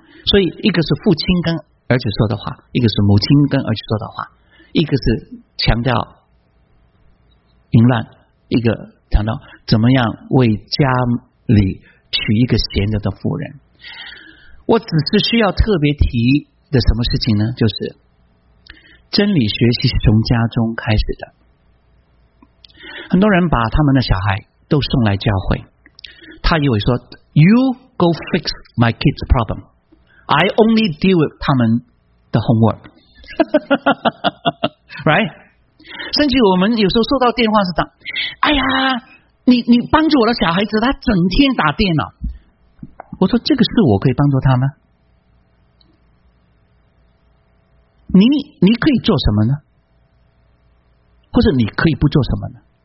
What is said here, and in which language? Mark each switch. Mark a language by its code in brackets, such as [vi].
[zh] 所以一个是父亲跟儿子说的话，一个是母亲跟儿子说的话，一个是强调淫乱，一个强调怎么样为家里娶一个贤德的妇人。我只是需要特别提的什么事情呢，就是真理学习是从家中开始的。很多人把他们的小孩都送来教会，他以为说 [en] You go fix my kids problem, I only deal with [zh] 他们的 homework right? 甚至我们有时候收到电话是这样，哎呀 你帮助我的小孩子，他整天打电脑。我说这个事我可以帮助他吗？你可以做什么呢？或者你可以不做什么呢？